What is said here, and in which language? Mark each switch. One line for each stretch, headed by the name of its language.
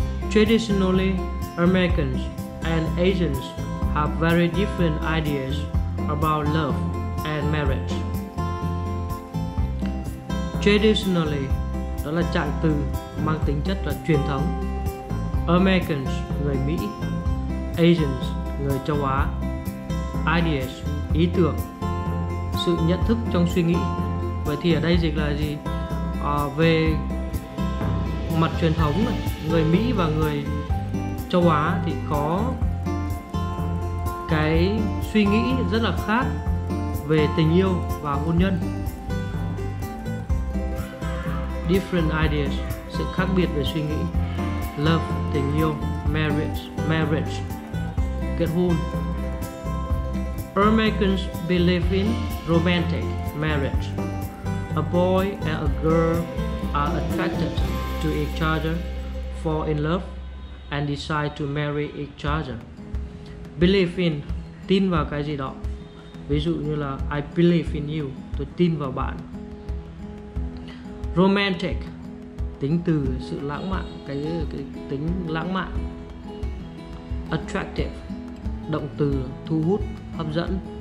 English: Traditionally, Americans and Asians have very different ideas about love and marriage.
Vietnamese: Traditionally, đó là trạng từ mang tính chất là truyền thống. Americans, người Mỹ. Asians, người châu Á. Ideas, ý tưởng. Sự nhận thức trong suy nghĩ. Vậy thì ở đây dịch là gì? Về mặt truyền thống, người Mỹ và người châu Á thì có cái suy nghĩ rất là khác về tình yêu và hôn nhân. Different ideas, sự khác biệt về suy nghĩ. Love, tình yêu. Marriage, kết hôn.
English: Americans believe in romantic marriage. A boy and a girl are attracted to each other, fall in love and decide to marry each other.
Vietnamese: Believe in, tin vào cái gì đó. Ví dụ như là
English: I believe in you,
Vietnamese: tôi tin vào bạn. Romantic, tính từ sự lãng mạn, cái tính lãng mạn. Attractive, động từ thu hút, hấp dẫn.